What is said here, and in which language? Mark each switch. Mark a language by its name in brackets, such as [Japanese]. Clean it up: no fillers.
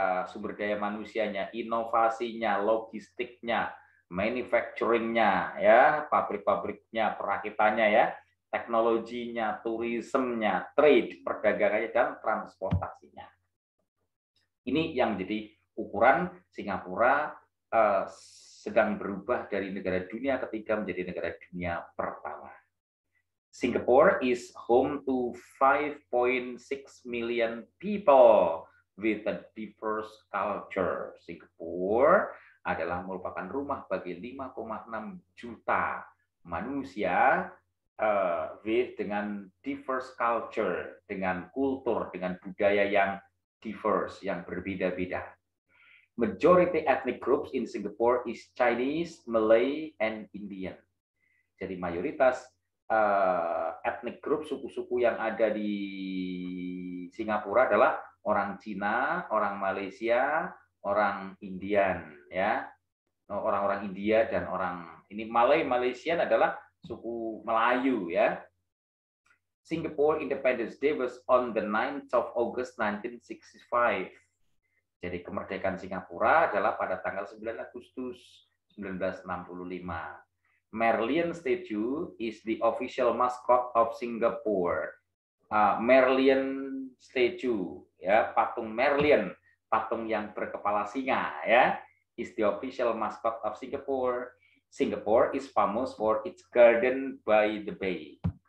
[Indonesian] Sumber daya manusianya, inovasinya, logistiknya, manufacturing-nya ya, pabrik-pabriknya, perakitannya ya, teknologinya, turismenya, trade, perdagangannya dan transportasinya. Ini yang jadi ukuran Singapura sedang berubah dari negara dunia ketiga menjadi negara dunia pertama. [English] Singapore is home to 5.6 million people with a diverse culture. [Indonesian] Singapore adalah merupakan rumah bagi 5,6 juta manusia dengan [English] diverse culture, [Indonesian] dengan kultur, dengan budaya yang diverse, yang berbeda-beda. [English] Majority ethnic groups in Singapore is Chinese, Malay, and Indian. [Indonesian] Jadi mayoritas [English] ethnic group, [Indonesian] suku-suku yang ada di Singapura adalah orang Cina, orang Malaysia, orang Indian, ya, orang-orang India dan orang ini Malay, Malaysian adalah suku Melayu, ya. [English] Singapore Independence Day was on the 9th of August 1965. [Indonesian] Jadi kemerdekaan Singapura adalah pada tanggal 9 Agustus 1965. [English] Merlion Statue is the official mascot of Singapore. [Indonesian] Merlion Statue, ya, patung Merlion. Patung yang berkepala singa, ya, [English] is the official mascot of Singapore. Singapore is famous for its garden by the bay.